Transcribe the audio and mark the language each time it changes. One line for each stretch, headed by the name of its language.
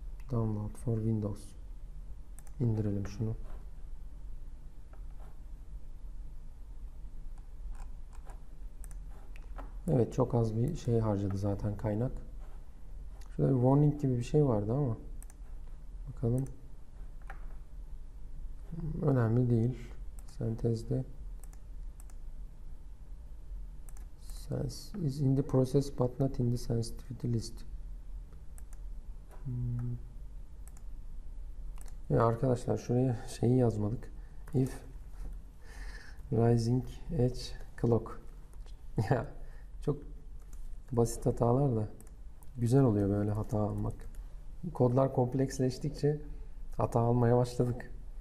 English: Download for Windows.
Turkish: İndirelim şunu. Evet, çok az bir şey harcadı zaten kaynak. Şöyle bir warning gibi bir şey vardı ama bakalım. Önemli değil. Sentezde
English: Sense is in the process but not in the sensitivity list.
Turkish: Arkadaşlar şuraya şeyi yazmadık.
English: If rising edge clock.
Turkish: Ya çok basit hatalar da güzel oluyor böyle hata almak. Kodlar kompleksleştikçe hata almaya başladık.